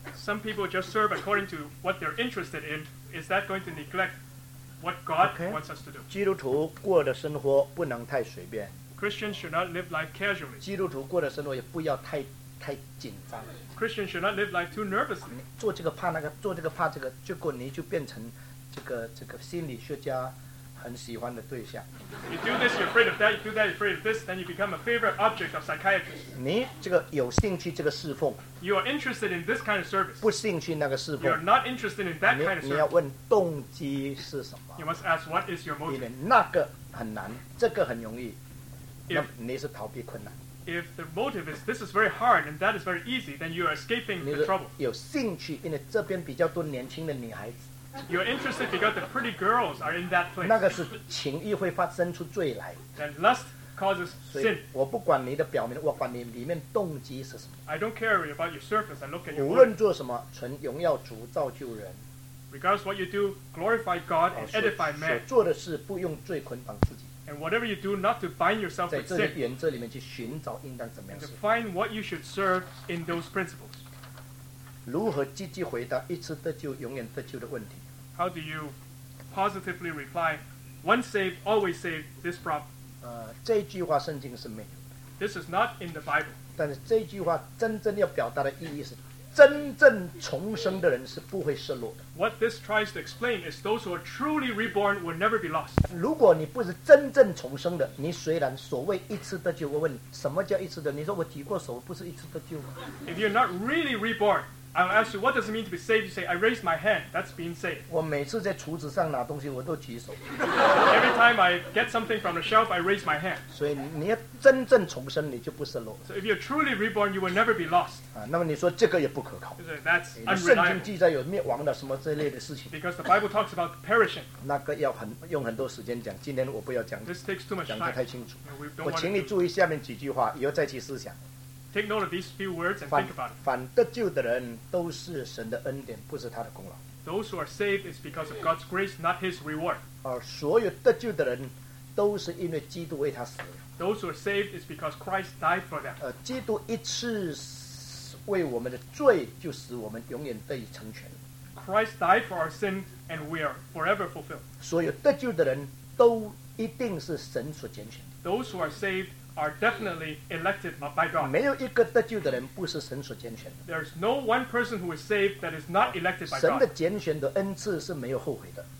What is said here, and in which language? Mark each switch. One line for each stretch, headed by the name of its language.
English: Some people just serve according to what they're interested in. Is that going to neglect what God wants us to do?
Chinese: 基督徒过的生活不能太随便。
English: Christians should not live life casually.
Chinese: 基督徒过的生活也不要太紧张。
English: Christians should not live life too nervously.
Chinese: 做这个怕那个，结果你就变成这个心理学家很喜欢的对象。
English: You do this, you're afraid of that. You do that, you're afraid of this. Then you become a favorite object of psychiatrists.
Chinese: 你这个有兴趣这个侍奉。
English: You are interested in this kind of service.
Chinese: 不兴趣那个侍奉。
English: You are not interested in that kind of service.
Chinese: 你要问动机是什么。
English: You must ask what is your motive.
Chinese: 那个很难，这个很容易。
English: If the motive is this is very hard and that is very easy, then you are escaping the trouble.
Chinese: 有兴趣，因为这边比较多年轻的女孩子。
English: You're interested because the pretty girls are in that place.
Chinese: 那个是情欲会发生出罪来。
English: Then lust causes sin.
Chinese: 我不管你的表面，我管你里面动机是什么。
English: I don't care about your surface. I look at your.
Chinese: 无论做什么，存荣耀主造就人。
English: Regardless what you do, glorify God and edify man.
Chinese: 所做的事不用罪捆绑自己。
English: And whatever you do, not to bind yourself with sin. And to find what you should serve in those principles.
Chinese: 如何积极回答一次得救永远得救的问题？
English: How do you positively reply, once saved, always saved, this problem?
Chinese: 这句话圣经是没有。
English: This is not in the Bible.
Chinese: 但是这句话真正要表达的意义是。真正重生的人是不会失落的。
English: What this tries to explain is those who are truly reborn will never be lost.
Chinese: 如果你不是真正重生的， 你虽然所谓一次得救， 我问你， 什么叫一次得救？你说我举过手， 不是一次得救吗？
English: If you're not really reborn, I'll ask you, what does it mean to be saved? You say, I raise my hand, that's being saved.
Chinese: 我每次在厨子上拿东西， 我都举手。
English: Every time I get something from the shelf, I raise my hand.
Chinese: 所以你要真正重生， 你就不失落。
English: So if you're truly reborn, you will never be lost.
Chinese: 那么你说这个也不可靠。
English: That's unreliable.
Chinese: 圣经记载有灭亡的什么这类的事情。
English: Because the Bible talks about perishing.
Chinese: 那个要用很多时间讲， 今天我不要讲，
English: This takes too much time.
Chinese: 讲得太清楚。我请你注意下面几句话， 以后再去思想。
English: Take note of these few words and think about it.
Chinese: 反得救的人都是神的恩典， 不是他的功劳。
English: Those who are saved is because of God's grace, not his reward.
Chinese: 而所有得救的人都是因为基督为他死。
English: Those who are saved is because Christ died for them.
Chinese: 基督一次为我们的罪就使我们永远得以成全。
English: Christ died for our sins and we are forever fulfilled.
Chinese: 所有得救的人都一定是神所拣选。
English: Those who are saved are definitely elected by God.
Chinese: 没有一个得救的人不是神所拣选的。
English: There is no one person who is saved that is not elected by God.
Chinese: 神的拣选的恩赐是没有后悔的。